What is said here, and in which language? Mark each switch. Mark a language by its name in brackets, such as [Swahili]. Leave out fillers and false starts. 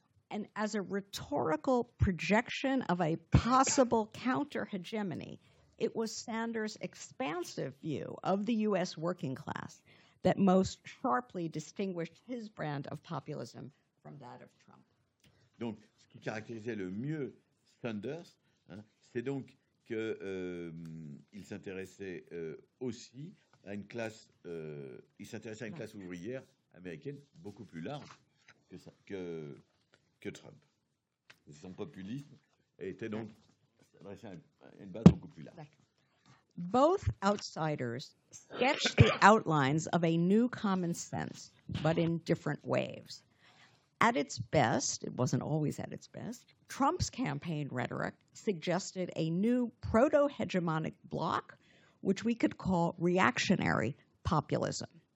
[English] And as a rhetorical projection of a possible counter-hegemony, it was Sanders' expansive view of the U.S. working class that most sharply distinguished his brand of populism from that of Trump. [French] Donc, ce qui caractérisait le mieux Sanders, hein, c'est donc qu'il s'intéressait aussi à une classe, il s'intéressait à une classe ouvrière américaine beaucoup plus large que Trump. Son populisme était donc s'adressait à une base beaucoup plus large. [English] Both outsiders sketched the outlines of a new common sense, but in different waves. At its best, it wasn't always at its best, Trump's campaign rhetoric suggested a new proto-hegemonic bloc, which we could call reactionary populism.